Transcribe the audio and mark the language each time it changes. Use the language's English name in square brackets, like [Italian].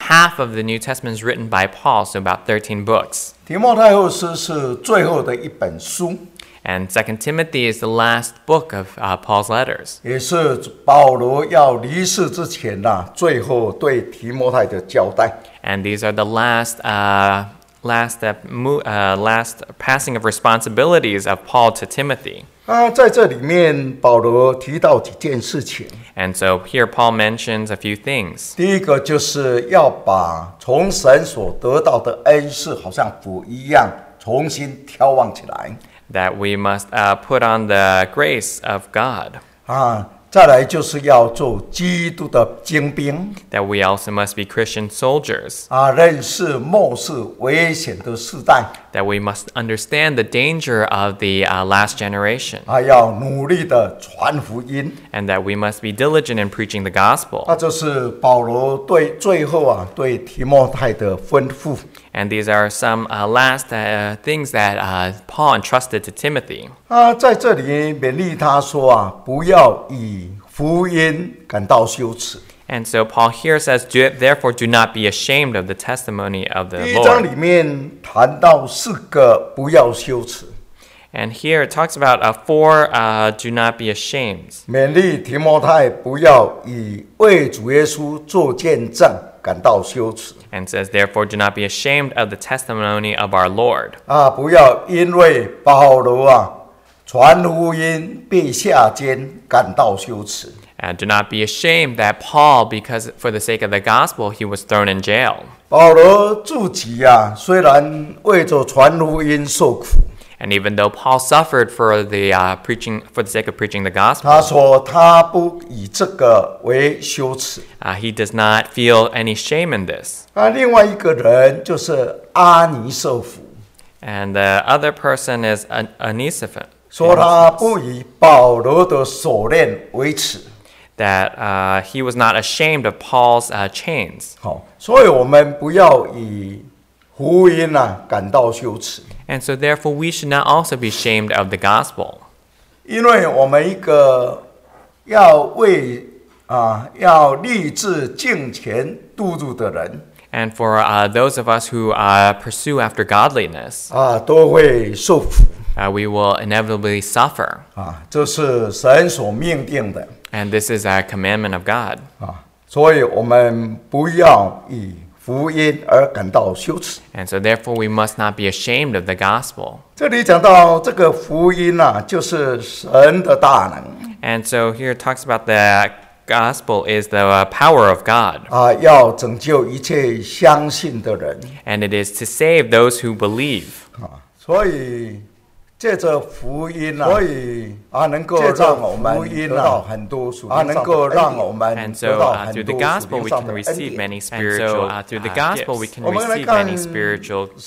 [English] half of the New Testament is written by Paul, so about 13 books. [Chinese] 提摩太后书是最后的一本书。 [English] And 2 Timothy is the last book of Paul's letters. [Chinese] 也是保罗要离世之前啊，最后对提摩太的交代。 [English] And these are the last passing of responsibilities of Paul to Timothy. [Chinese] 啊，在这里面保罗提到几件事情。 [English] And so here Paul mentions a few things. [Chinese] 第一个就是要把从神所得到的恩赐，好像福一样，重新眺望起来。 [English] That we must put on the grace of God. [Chinese] 啊，再来就是要做基督的精兵。 [English] That we also must be Christian soldiers. [Chinese] 啊，认识末世危险的世代。 [English] That we must understand the danger of the last generation. [Chinese] 啊，要努力的传福音。 [English] And that we must be diligent in preaching the gospel. [Chinese] 那就是保罗对最后啊对提摩太的吩咐。 [English] And these are some last things that Paul entrusted to Timothy. [Chinese] 在这里勉励他说啊，不要以福音感到羞耻。 [English] And so Paul here says, therefore do not be ashamed of the testimony of the Lord. [Chinese] 第一章里面谈到四个不要羞耻。 [English] And here it talks about four do not be ashamed. [Chinese] 勉励提摩太不要以为主耶稣做见证。感到羞耻 [English] and says, therefore, do not be ashamed of the testimony of our Lord. [Chinese] 啊，不要因为保罗啊传福音被下监感到羞耻 [English] and do not be ashamed that Paul, because for the sake of the gospel, he was thrown in jail. [Chinese] 保罗自己啊，虽然为着传福音受苦 [English] and even though Paul suffered for the preaching for the sake of preaching the gospel, [Chinese] 他说他不以这个为羞耻。 [English] He does not feel any shame in this. [Chinese] 另外一个人就是阿尼瑟福。 [English] And the other person is Onesiphorus. [Chinese] 说他不以保罗的锁链为耻。 [English] That he was not ashamed of Paul's chains. [Chinese] 好，所以我们不要以福音啊感到羞耻。 [English] And so therefore we should not also be ashamed of the gospel. [Chinese] 因为我们一个要为要立志敬虔度日的人 [English] ，and for those of us who pursue after godliness， [Chinese] 都会受苦 [English] ，we will inevitably suffer， [Chinese] 这是神所命定的 [English] ，and this is a commandment of God， [Chinese] 所以我们不要以福音而感到羞耻 [English] ，and so therefore we must not be ashamed of the gospel。 [Chinese] 这里讲到这个福音啊，就是神的大能 [English] ，and so here it talks about the gospel is the power of God. [Chinese] 要拯救一切相信的人。 [English] And it is to save those who believe. [Chinese] 所以借着福音啊，所以能够让我们得到很多属灵上的恩典。 [English] And so through the gospel we can receive many spiritual gifts. And so through the gospel we can receive many spiritual gifts.